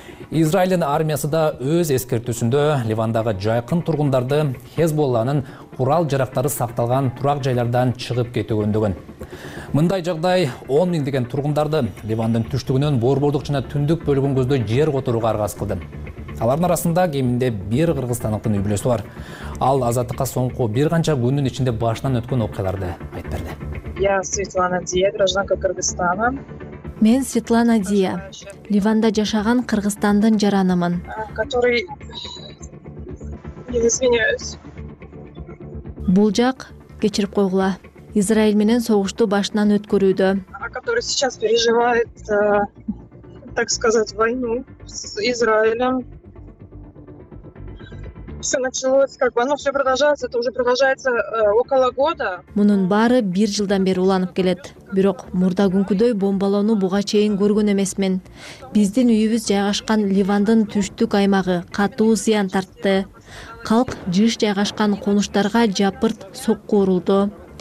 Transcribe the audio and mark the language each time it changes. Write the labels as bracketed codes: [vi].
[ky] Израилдин армиясы да өз эскертүүсүндө Ливандагы жайкын тургундарды Хизболланын курал жарактары сакталган турак жайлардан чыгып кетүүгө үндөгөн. Мындай жагдай 10 миң деген тургундарды Ливандын түштүгүнөн борбордук жана түндүк бөлүгүн көздөй жер которууга аргас кылды. Алардын арасында кеминде бир кыргызстандыктын үй бүлөсү бар. Ал азаттыкка соңку бир канча күндүн ичинде башынан өткөн окуяларды айтып берди. [ru] Я Светлана Дия, гражданка Кыргызстана. [ky] Мен Светлана Дия, Ливанда жашаган Кыргызстандын жаранымын. Бул жак, кечирип койгула, Израиль менен согушту башынан өткөрүүдө. [ru] Который сейчас переживает, так сказать, войну с Израилем. Все началось, как бы, оно все продолжается, это уже продолжается около года. [ky] Мунун баары бир жылдан бери уланып келет. Бирок мурда күнкүдөй бомбалоону буга чейин көргөн эмесмин. Биздин үйүбүз жайгашкан Ливандын түштүк аймагы катуу зыян тартты. Калк жыш жайгашкан конуштарга жапырт сокку урулду.